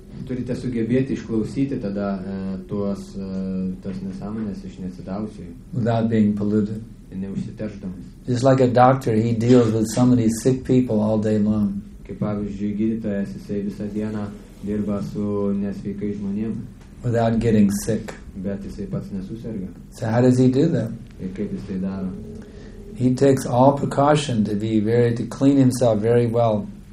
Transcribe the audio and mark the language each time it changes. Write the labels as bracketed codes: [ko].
[lt] Turite sugebėti išklausyti tada tas nesąmonės iš nesidavusių. [en] Without being polluted. [lt] Neužsiterždamas. [en] Just like a doctor, he deals with so many sick people all day long. [lt] Kaip pavyzdžiui, gydytojas, jisai visą dieną dirba su nesveikais žmonėm. [en] Without getting sick. [lt] Bet jisai pats nesuserga. [en] So how does he do that? [lt] Ir kaip jisai daro? [en] He takes all precaution to clean himself very well.